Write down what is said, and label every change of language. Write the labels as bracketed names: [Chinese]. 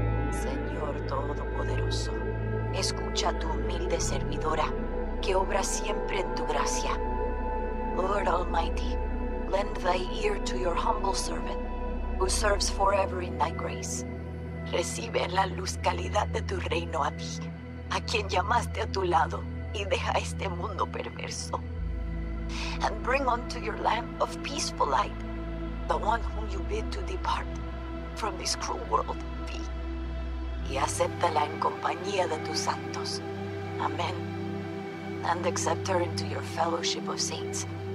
[Spanish] Señor Todopoderoso, escucha tu humilde servidora, que obra siempre en tu gracia. [English] Lord Almighty, lend thy ear to your humble servant, who serves forever in thy grace. [Spanish] Recibe la luz calidad de tu reino a ti, a quien llamaste a tu lado, y deja este mundo perverso. [English] And bring unto your lamp of peaceful light the one whom you bid to depart from this cruel world, V. [Spanish] Y acéptala en compañía de tus santos. Amen. [English] And accept her into your fellowship of saints.